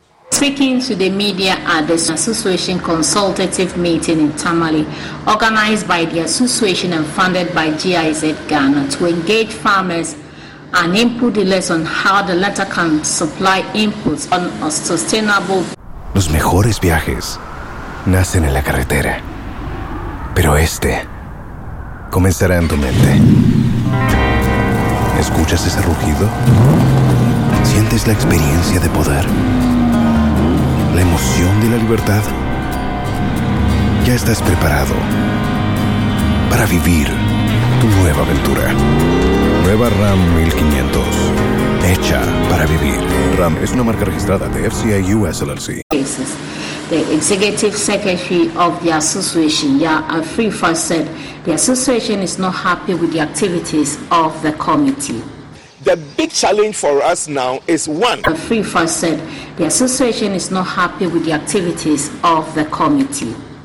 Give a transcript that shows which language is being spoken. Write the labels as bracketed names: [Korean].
[English] Speaking to the media at the association consultative meeting in Tamale, organized by the association and funded by GIZ Ghana to engage farmers and input dealers on how the latter can supply inputs on a sustainable. [Spanish] Los mejores viajes nacen en la carretera, pero este comenzará en tu mente. ¿Escuchas ese rugido? ¿Sientes la experiencia de poder? ¿La emoción de la libertad? Ya estás preparado para vivir tu nueva aventura. Nueva Ram 1500. Hecha para vivir. Ram es una marca registrada de FCA US LLC. [English] The executive secretary of the association, Yafrifa, said the association is not happy with the activities of the committee. The big challenge for us now is one. Yafrifa said the association is not happy with the activities of the committee.